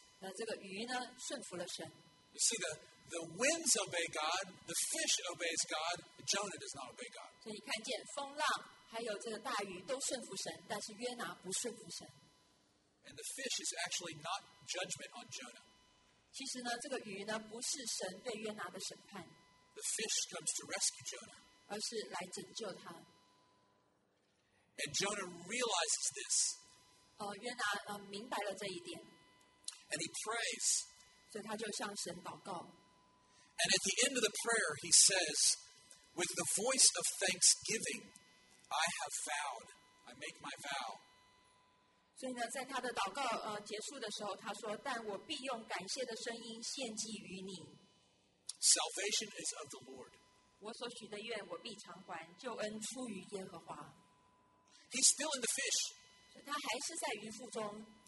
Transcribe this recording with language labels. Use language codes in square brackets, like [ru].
[en] You see, the winds obey God, the fish obeys God, but Jonah does not obey God. And the fish is actually not judgment on Jonah. [zh] 其实呢,这个鱼呢,不是神对约拿的审判, [en] the fish comes to rescue Jonah. And Jonah realizes this. [zh] 约拿明白了这一点, [en] and he prays. [zh] 所以他就向神祷告, [en] and at the end of the prayer, he says, with the voice of thanksgiving, I have vowed, I make my vow. [zh] 所以呢,在他的祷告结束的时候,他说,但我必用感谢的声音献祭于你。 [en] Salvation is of the Lord. [zh] 我所许的愿我必偿还,救恩出于耶和华。 [en] He's still in the fish. [zh] 所以他还是在鱼腹中。